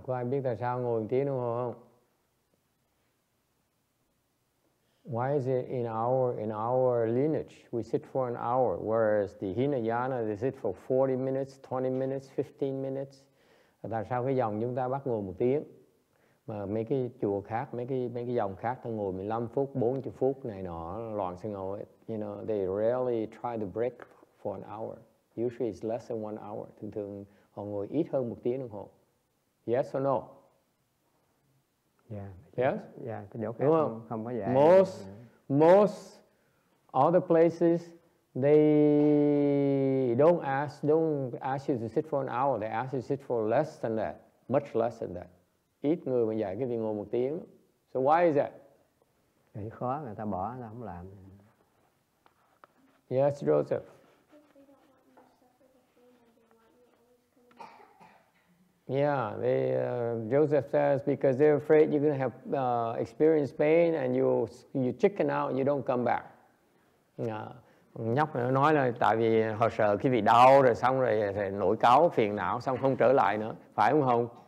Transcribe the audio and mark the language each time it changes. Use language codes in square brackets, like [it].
[vi] Có ai biết tại sao ngồi một tiếng đồng hồ không? [en] Why is it in our lineage we sit for an hour, whereas the Hinayana they sit for 40 minutes, 20 minutes, 15 minutes? [vi] Tại sao cái dòng chúng ta bắt ngồi một tiếng mà mấy cái chùa khác, mấy cái dòng khác ta ngồi 15 phút, 40 phút này nọ loạn sang ngồi, [en] you know, they rarely try to break for an hour. Usually it's less than one hour. [vi] Thường thường họ ngồi ít hơn một tiếng đồng hồ. [en] Yes or no? Yeah. Yes? [vi] Yeah, cái chỗ khác không có dễ. [en] Most other places, they don't ask you to sit for an hour. They ask you to sit for less than that, much less than that. [vi] Ít người mà dạy cái gì ngồi một tiếng. [en] So why is that? [vi] Cái khó người ta bỏ, người ta không làm. [en] Yes, Joseph. Yeah, they, Joseph says because they're afraid you're gonna have experience pain and you chicken out and you don't come back. [vi] Nhóc nó nói là tại vì họ sợ cái vị đau rồi xong rồi nổi cáu phiền não xong không trở lại nữa, phải không Hồng?